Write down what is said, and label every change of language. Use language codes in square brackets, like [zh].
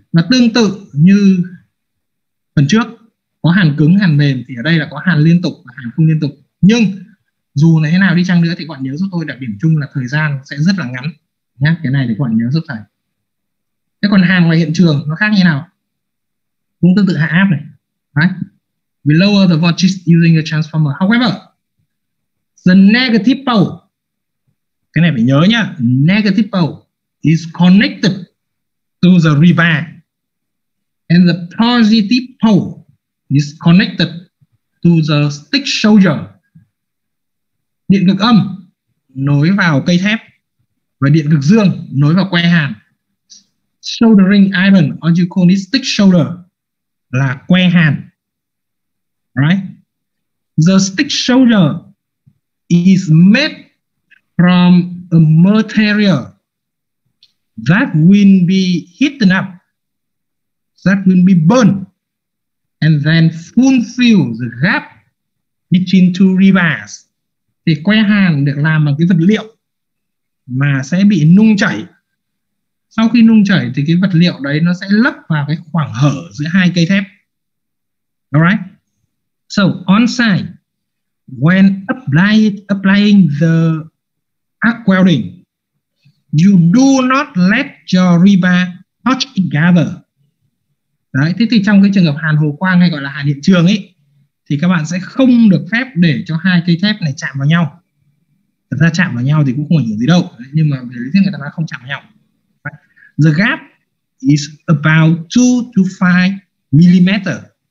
[vi] Nó tương tự như phần trước, có hàn cứng, hàn mềm, thì ở đây là có hàn liên tục và hàn không liên tục. Nhưng dù là thế nào đi chăng nữa thì các bạn nhớ giúp tôi đặc điểm chung là thời gian sẽ rất là ngắn nhá. Cái này thì các bạn nhớ giúp thầy. Thế còn hàn ngoài hiện trường nó khác như nào? Cũng tương tự hạ áp này. Đấy. [en] We lower the voltage using a transformer. However, the negative pole, [vi] cái này phải nhớ nhá, [en] negative pole is connected to the rebar and the positive pole is connected to the stick shoulder. [vi] Điện cực âm nối vào cây thép và điện cực dương nối vào que hàn. [en] Soldering iron, or you call it stick shoulder, [vi] là que hàn. [en] Right? The stick shoulder is made from a material that will be heated up, that will be burned, and then fulfill the gap between two rebars. [vi] Thì que hàn được làm bằng cái vật liệu mà sẽ bị nung chảy. Sau khi nung chảy thì cái vật liệu đấy nó sẽ lấp vào cái khoảng hở giữa hai cây thép. [en] Alright. So on site, when applying the arc welding, you do not let your rebar touch together. [vi] Đấy, thế thì trong cái trường hợp hàn hồ quang hay gọi là hàn hiện trường ấy, thì các bạn sẽ không được phép để cho hai cây thép này chạm vào nhau. Thật ra chạm vào nhau thì cũng không ảnh hưởng gì đâu, đấy, nhưng mà lý thuyết người ta nói không chạm vào nhau. [en] The gap is about 2 to 5 millimeters.